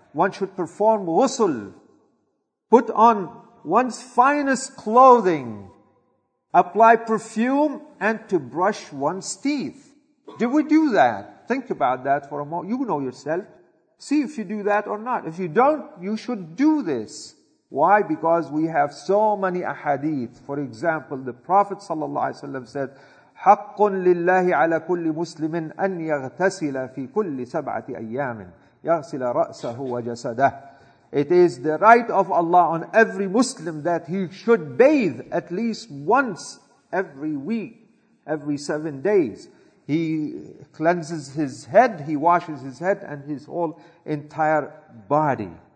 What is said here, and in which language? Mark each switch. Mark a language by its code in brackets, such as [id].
[en] One should perform ghusl, put on one's finest clothing, apply perfume, and to brush one's teeth. Do we do that? Think about that for a moment. You know yourself. See if you do that or not. If you don't, you should do this. Why? Because we have so many ahadith. For example, the Prophet ﷺ said, [ar] حَقٌّ لِلَّهِ عَلَى كُلِّ مُسْلِمٍ أَنْ يَغْتَسِلَ فِي كُلِّ سَبْعَةِ أَيَّامٍ يَغْسِلَ رَأْسَهُ وَجَسَدَهُ. [en] It is the right of Allah on every Muslim that he should bathe at least once every week, every 7 days. He cleanses his head, he washes his head and his whole entire body.